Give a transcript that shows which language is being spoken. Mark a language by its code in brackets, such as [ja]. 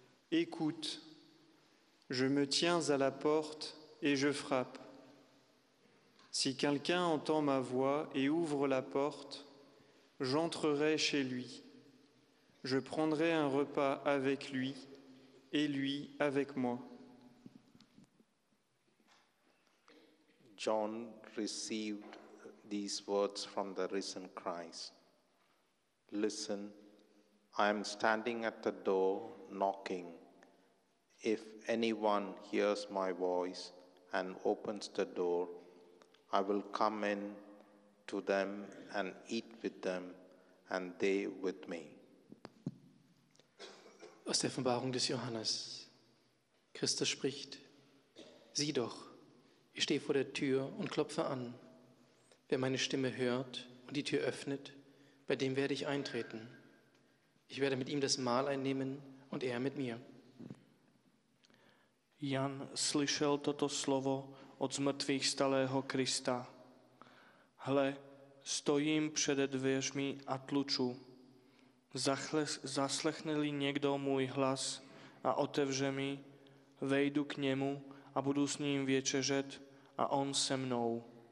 [fr] Écoute, je me tiens à la porte et je frappe. Si quelqu'un entend ma voix et ouvre la porte, j'entrerai chez lui. Je prendrai un repas avec lui et lui avec moi. [en] John received these words from the risen Christ. Listen, I am standing at the door knocking. If anyone hears my voice and opens the door, I will come in to them and eat with them, and they with me. [de] Aus der Offenbarung des Johannes. Christus spricht: Sieh doch, ich stehe vor der Tür und klopfe an. Wer meine Stimme hört und die Tür öffnet, bei dem werde ich eintreten. Ich werde mit ihm das Mahl einnehmen und er mit mir. [cs] Jan slyšel toto slovo od zmrtvých stalého Krista. Hle, stojím před dveřmi a tluču. Zaslechne-li někdo můj hlas a otevře mi, vejdu k němu a budu s ním věčeřet a on se mnou.